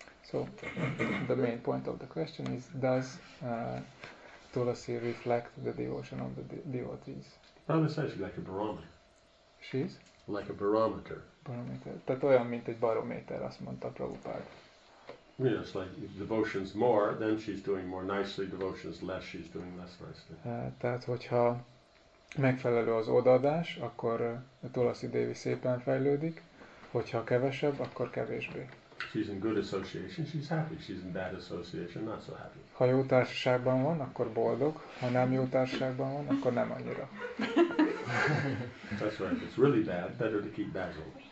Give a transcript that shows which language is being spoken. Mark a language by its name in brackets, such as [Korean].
[English] So, the main point of the question is, does Tulasi reflect the devotion of the devotees? Well, it's actually like a barometer. She is? Like a barometer. Barometer. [Hungarian] Tehát olyan, mint egy barométer, azt mondta Prabhupada. [English] Yes, yeah, like if devotion's more, then she's doing more nicely, devotion's less, she's doing less nicely. [Hungarian] Tehát, hogyha megfelelő az odaadás, akkor Tulasi Devi szépen fejlődik. Hogyha kevesebb, akkor kevésbé. [English] She's in good association, she's happy. She's in bad association, not so happy. [Hungarian] Ha jó társaságban van, akkor boldog. Ha nem jó társaságban van, akkor nem annyira. [English] That's right. If it's really bad, better to keep Basil.